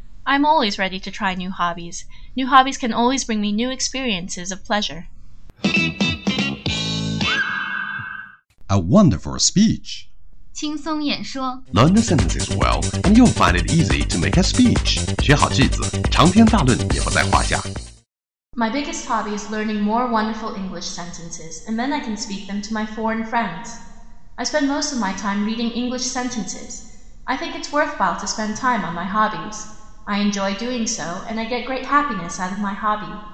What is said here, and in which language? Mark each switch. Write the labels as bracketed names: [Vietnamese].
[English] I'm always ready to try new hobbies. New hobbies can always bring me new experiences of pleasure. A wonderful speech. [Chinese] 轻松演说。 [English] Learn the sentences well, and you'll find it easy to make a speech. [Chinese] 学好句子，长篇大论也不在话下。 [English] My biggest hobby is learning more wonderful English sentences, and then I can speak them to my foreign friends. I spend most of my time reading English sentences. I think it's worthwhile to spend time on my hobbies. I enjoy doing so, and I get great happiness out of my hobby.